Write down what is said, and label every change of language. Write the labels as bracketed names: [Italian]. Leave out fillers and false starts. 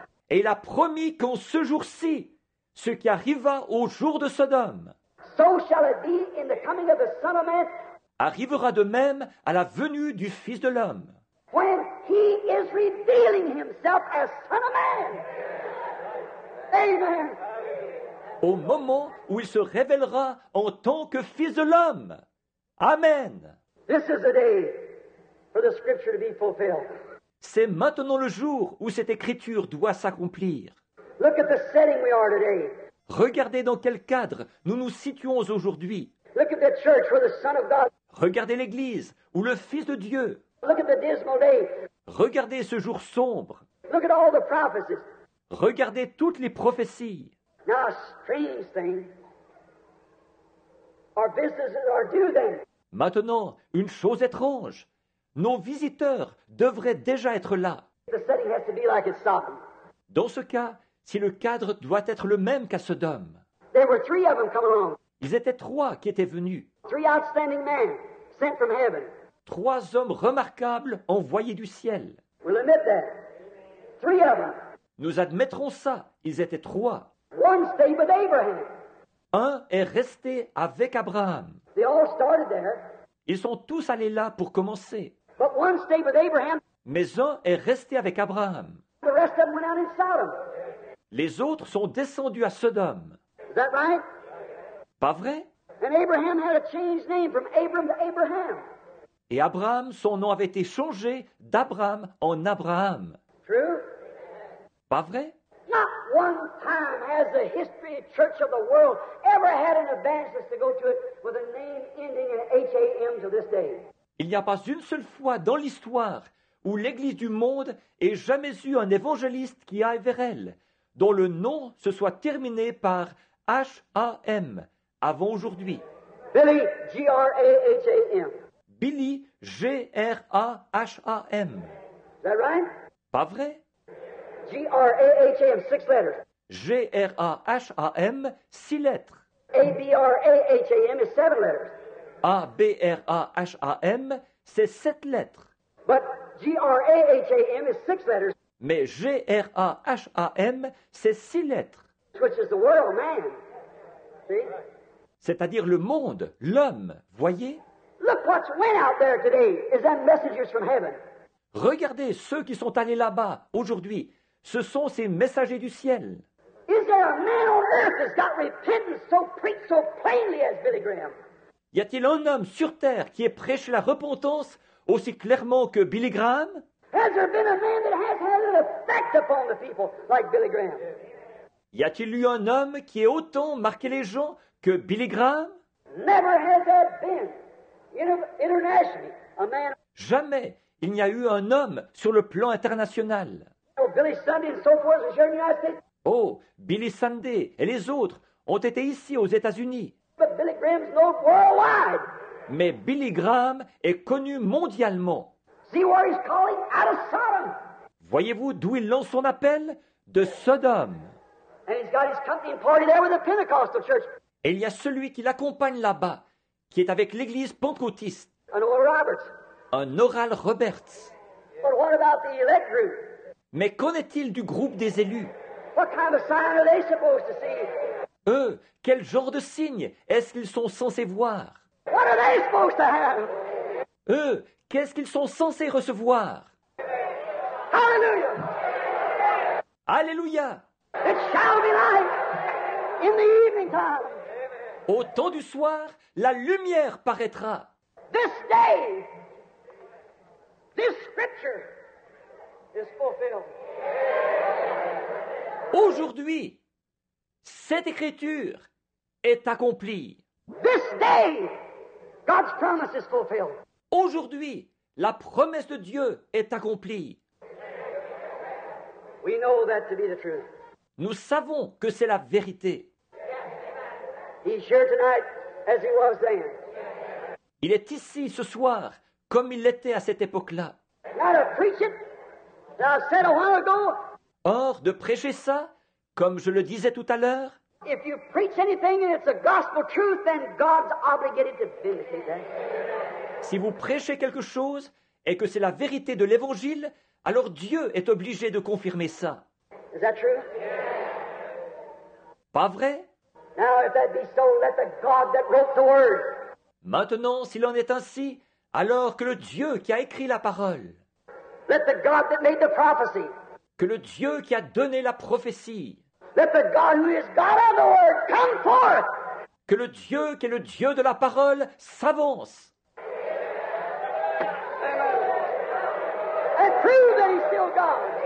[French] Et il a promis qu'en ce jour-ci, ce qui arriva au jour de Sodome, [English] so shall it be in the coming of the Son of Man, [French] arrivera de même à la venue du Fils de l'homme. [English] When he is revealing himself as Son of Man. Amen. [French] Au moment où il se révélera en tant que Fils de l'homme. [English] Amen. This is the day for the scripture to be fulfilled. [French] C'est maintenant le jour où cette écriture doit s'accomplir. [English] Look at the setting we are today. [French] Regardez dans quel cadre nous nous situons aujourd'hui. [English] Look at the church where the Son of God. [French] Regardez l'Église où le Fils de Dieu. [English] Look at the dismal day. [French] Regardez ce jour sombre. [English] Look at all the prophecies. [French] Regardez toutes les prophéties. [English] Now, a strange thing. Our businesses are due then. [French] Maintenant, une chose étrange. Nos visiteurs devraient déjà être là. [English] The setting has to be like it's Sodom. [French] Dans ce cas, si le cadre doit être le même qu'à Sodome, [English] there were three of them coming along. [French] Ils étaient trois qui étaient venus. [English] Three outstanding men sent from heaven. [French] Trois hommes remarquables envoyés du ciel. [English] We'll admit that. Three of them. [French] Nous admettrons ça, ils étaient trois. [English] One stayed with Abraham. [French] Un est resté avec Abraham. [English] They all started there. [French] Ils sont tous allés là pour commencer. [English] But one stayed with Abraham. [French] Mais un est resté avec Abraham. [English] The rest of them went out in Sodom. [French] Les autres sont descendus à Sodome. [English] Is that right? [French] Pas vrai? [English] And Abraham had a changed name from Abram to Abraham. [French] Et Abraham, son nom avait été changé d'Abraham en Abraham. [English] True? [French] Pas vrai? [English] Not one time has the history of church of the world ever had an evangelist to go to it with a name ending in H-A-M to this day. [French] Il n'y a pas une seule fois dans l'histoire où l'Église du monde ait jamais eu un évangéliste qui aille vers elle, dont le nom se soit terminé par H-A-M, avant aujourd'hui. [English] Billy, G-R-A-H-A-M. [French] Billy, G-R-A-H-A-M. [English] Is that right? [French] Pas vrai? [English] G-R-A-H-A-M, six letters. [French] G-R-A-H-A-M, six lettres. [English] A-B-R-A-H-A-M is seven letters. [French] A-B-R-A-H-A-M, c'est sept lettres. [English] But G-R-A-H-A-M is six letters. [French] Mais G-R-A-H-A-M, c'est six lettres. [English] Which is the world, man. See? [French] C'est-à-dire le monde, l'homme, voyez? [English] Look what's went out there today. Is that messengers from heaven? [French] Regardez ceux qui sont allés là-bas aujourd'hui. Ce sont ces messagers du ciel. [English] Is there a man on earth that's got repentance so preached so plainly as Billy Graham? [French] Y a-t-il un homme sur terre qui ait prêché la repentance aussi clairement que Billy Graham? [English] Has there been a man that has had an effect upon the people like Billy Graham? [French] Y a-t-il eu un homme qui ait autant marqué les gens que Billy Graham? [English] Never has there been internationally a man. [French] Jamais il n'y a eu un homme sur le plan international. [English] Oh, Billy Sunday and so forth was here in the United States. [French] Oh, Billy Sunday et les autres ont été ici aux États-Unis. [English] But Billy Graham's known worldwide. [French] Mais Billy Graham est connu mondialement. [English] See where he's calling out of Sodom. [French] Voyez-vous d'où il lance son appel? De Sodome. [English] And he's got his company and party there with the Pentecostal church. [French] Et il y a celui qui l'accompagne là-bas, qui est avec l'église pentecôtiste. [English] An Oral Roberts. [French] Un Oral Roberts. [English] But what about the elect group? [French] Mais qu'en est-il du groupe des élus? [English] What kind of sign are they supposed to see? [French] Eux, quel genre de signe est-ce qu'ils sont censés voir? [English] What are they supposed to have? [French] Eux, qu'est-ce qu'ils sont censés recevoir? [English] Hallelujah! [French] Alléluia! [English] It shall be light in the evening time. [French] Au temps du soir, la lumière paraîtra. [English] This day, this scripture is fulfilled. [French] Aujourd'hui, cette écriture est accomplie. [English] This day, God's promise is fulfilled. [French] Aujourd'hui, la promesse de Dieu est accomplie. [English] We know that to be the truth. [French] Nous savons que c'est la vérité. [English] He's here tonight as he was then. [French] Il est ici ce soir comme il l'était à cette époque-là. [English] Now to preach it, that I said a while ago. [French] Or, de prêcher ça, comme je le disais tout à l'heure, [English] if you preach anything and it's a gospel truth, then God's obligated to vindicate that. [French] Si vous prêchez quelque chose et que c'est la vérité de l'Évangile, alors Dieu est obligé de confirmer ça. [English] Is that true? [French] Pas vrai? [English] Now, if that be so, let the God that wrote the word. [French] Maintenant, s'il en est ainsi, alors que le Dieu qui a écrit la parole, [English] let the God that made the prophecy. [French] Que le Dieu qui a donné la prophétie, [English] let the God who is God of the word come forth. [French] Que le Dieu qui est le Dieu de la parole s'avance. [English] And prove that he's still God.